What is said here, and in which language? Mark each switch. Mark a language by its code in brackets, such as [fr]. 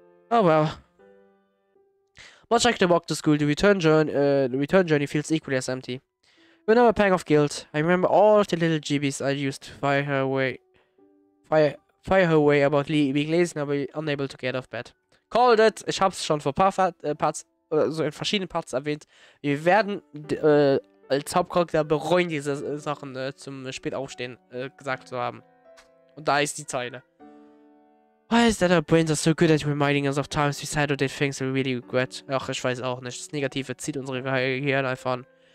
[en] Oh well. Much like the walk to school, the return journey feels equally as empty. With another pang of guilt, I remember all of the little GBs I used to fire her way about being lazy and unable to get off bed. Called it! [de] Ich hab's schon vor paar Parts, also in verschiedenen Parts erwähnt. Wir werden als Hauptcharakter bereuen, diese Sachen zum Spätaufstehen gesagt zu haben. Und da ist die Zeile. [en] Why is that our brains are so good at reminding us of times we said or did things we really regret? [de] Ach, ich weiß auch nicht. Das Negative zieht unsere Gehirn einfach an.